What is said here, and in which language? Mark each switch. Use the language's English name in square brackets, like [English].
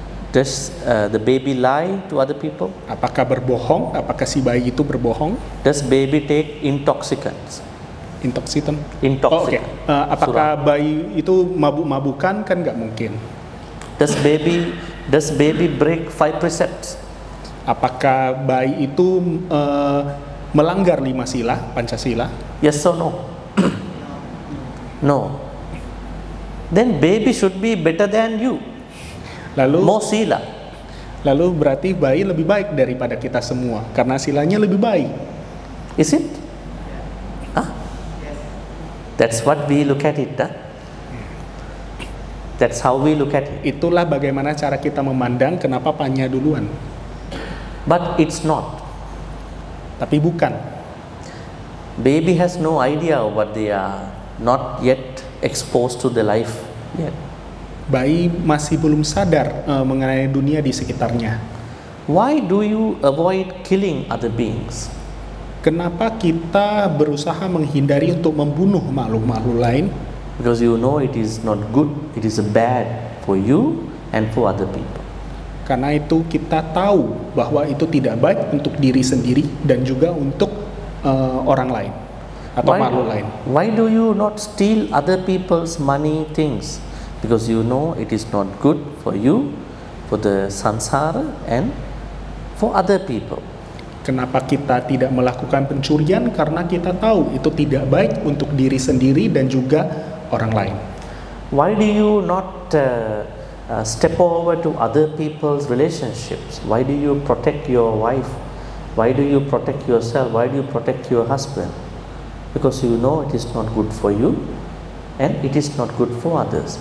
[English] Does the baby lie to other people? [Indonesian] Apakah berbohong? Apakah si bayi itu berbohong? [English] Does baby take intoxicants? intoxicant. Intoxicant. Oh, okay. [Indonesian] Apakah surat. Bayi itu mabuk-mabukan kan enggak mungkin. [English] Does baby break five precepts? [Indonesian] Apakah bayi itu melanggar lima sila, Pancasila? [English] Yes or no? No. Then baby should be better than you. [Indonesian] Lalu [English] more sila. [Indonesian] Lalu berarti bayi lebih baik daripada kita semua karena silanya lebih baik. [English] Is it? Ah? That's what we look at it, huh? That's how we look at it. [Indonesian] Itulah bagaimana cara kita memandang kenapa panya duluan. [English] But it's not. [Indonesian] Tapi bukan. [English] Baby has no idea what they are not yet exposed to the life yet. [Indonesian] Bayi masih belum sadar mengenai dunia di sekitarnya. [English] Why do you avoid killing other beings? [Indonesian] Kenapa kita berusaha menghindari untuk membunuh makhluk-makhluk lain? [English] Because you know it is not good, it is bad for you and for other people. [Indonesian] Karena itu kita tahu bahwa itu tidak baik untuk diri sendiri dan juga untuk orang lain atau makhluk lain. [English] Why do you not steal other people's money things? Because you know it is not good for you, for the samsara and for other people. [Indonesian] Kenapa kita tidak melakukan pencurian? Karena kita tahu itu tidak baik untuk diri sendiri dan juga orang lain. [English] Why do you not step over to other people's relationships? Why do you protect your wife? Why do you protect yourself? Why do you protect your husband? Because you know it is not good for you and it is not good for others.